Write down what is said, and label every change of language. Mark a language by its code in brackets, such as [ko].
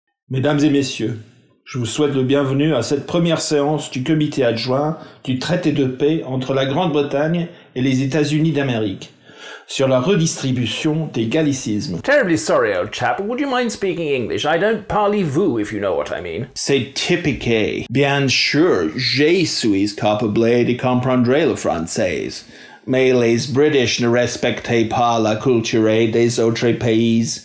[fr] Mesdames et messieurs, je vous souhaite le bienvenue à cette première séance du comité adjoint du traité de paix entre la Grande-Bretagne et les États-Unis d'Amérique sur la redistribution des gallicismes. [en] Terribly sorry, old chap, would you mind speaking English? I don't [fr] parlez-vous, [en] if you know what I mean. [fr] C'est typique. Bien sûr, je suis capable de comprendre le français. Mais les British ne respectent pas la culture des autres pays.